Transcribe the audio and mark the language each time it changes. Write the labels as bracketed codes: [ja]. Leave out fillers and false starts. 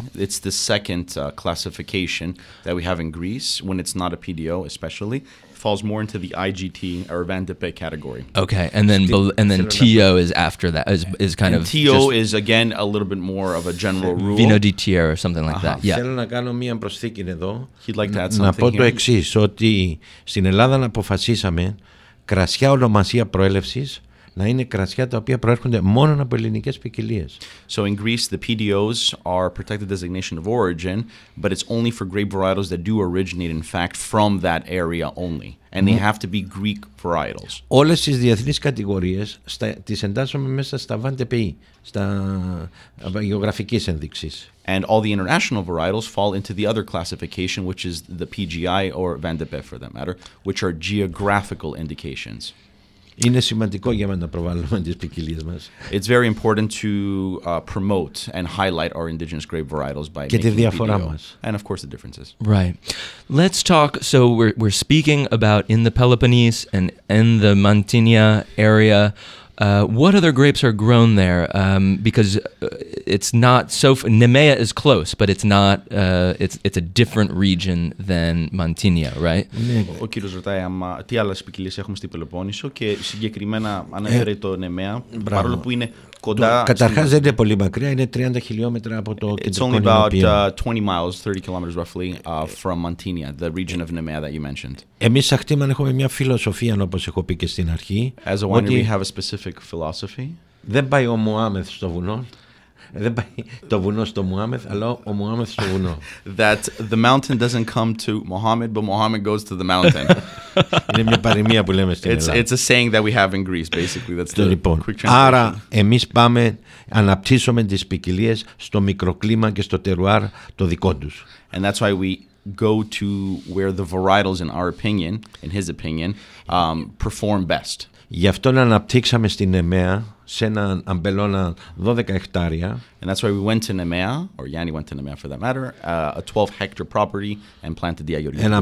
[en] It's the second classification that we have in Greece when it's not a PDO, especially. falls more into the IGT or Vin de Paix category. Okay, and then TO is after that, is kind and of... TO just is, again, a little bit more of a general rule. Vino di Tier or something like that, yeah. [el] Θέλω να κάνω μία προσθήκη εδώ. [en] He'd like to add something [el] να πω το εξής, ότι στην Ελλάδα να αποφασίσαμε κρασιά ονομασία προέλευσης να είναι κρασιά τα οποία προέρχονται μόνο από ελληνικές ποικιλίες. [en] So in Greece, the PDOs are protected designation of origin, but it's only for grape varietals that do originate, in fact, from that area only. And they have to be Greek varietals. [el] Όλες τις διεθνείς κατηγορίες τις εντάσσουμε μέσα στα Vin de Paix, στα γεωγραφικής ένδειξης. [en] And all the international varietals fall into the other classification, which is the PGI or Vin de Paix, for that matter, which are geographical indications. [el] Είναι σημαντικό για μας να προβάλλουμε τις ποικιλίες μας. [en] It's very important to promote and highlight our indigenous grape varietals by [el] και τη διαφορά μας. [en] And of course the differences. Right. Let's talk, so we're speaking about in the Peloponnese and in the Mantinea area. What other grapes are grown there? Because it's not so, Nemea is close, but it's not, it's a different region than Mantinea, right? [el] Ο κύριος ρωτάει τι άλλες ποικιλίες έχουμε στην Πελοπόννησο και συγκεκριμένα ανέφερε το Νεμαία, παρόλο που είναι κοντά. Καταρχάς δεν είναι πολύ μακριά, είναι 30 χιλιόμετρα από το κεντρικό [en] Νεμαία. It's only about 20 miles, 30 kilometers roughly, from Mantinea, the region of Nemea that you mentioned. [el] Εμείς σε Χτήμαν έχουμε μια φιλοσοφία, όπως έχω πει και στην αρχή. [en] As a winery, we have a specific philosophy. [el] Δεν πάει ο Μωάμεθ στο βουνό. Δεν πάει το βουνό στο Μωάμεθ, αλλά ο Μωάμεθ στο βουνό. [en] That the mountain doesn't come to Mohammed, but Mohammed goes to the mountain. [el] Είναι μια παροιμία που λέμε στην Ελλάδα. [en] It's a saying that we have in Greece, basically. That's the [el] λοιπόν, [en] quick translation. [el] Άρα, εμείς πάμε, αναπτύσσουμε τις ποικιλίες στο μικροκλίμα και στο τερουάρ το δικό τους. [en] And that's why we go to where the varietals, in our opinion, in his opinion, perform best. [el] Γι' αυτό αναπτύξαμε στην Νεμαία, σε ένα αμπελώνα 12 [en] hectares. And that's why we went to Nemea, or Yanni went to Nemea for that matter, a 12 hectare property and planted the Ayurveda.